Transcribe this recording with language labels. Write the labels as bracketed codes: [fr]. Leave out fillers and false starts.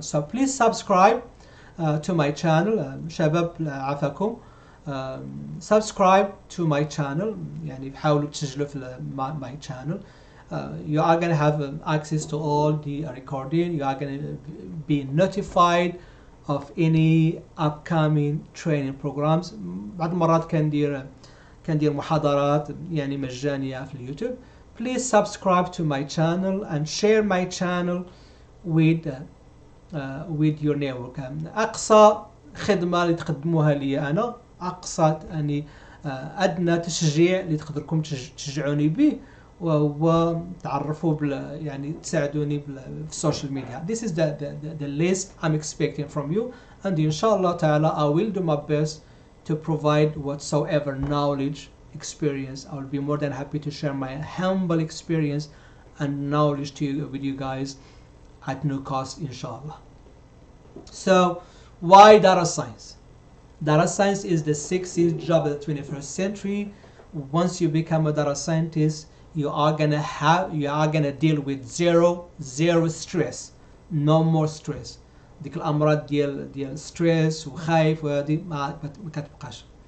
[en] So please subscribe to my channel, Shabab Afakum. Subscribe to my channel, [ar] يعني بحاولوا تسجلوا في [en] my channel. You are gonna have access to all the recording. You are gonna be notified of any upcoming training programs. [ar] بعض المرات كندير محاضرات يعني مجانية في اليوتيوب. [en] Please subscribe to my channel and share my channel with your network. [ar] أقصى خدمة اللي تقدموها لي أنا اقصى يعني ادنى تشجيع اللي تقدركم تشجعوني به، وتعرفوا يعني تساعدوني في السوشيال ميديا. [en] This is the least I'm expecting from you, and inshallah ta'ala I will do my best to provide whatsoever knowledge, experience. I will be more than happy to share my humble experience and knowledge to you, with you guys at no cost, inshallah. So why data science? Data science is the sexy job of the 21st century. Once you become a data scientist, you are gonna deal with zero stress, no more stress. [ar] ديك الامراض ديال ستريس وخايف وهادي ما كتبقاش.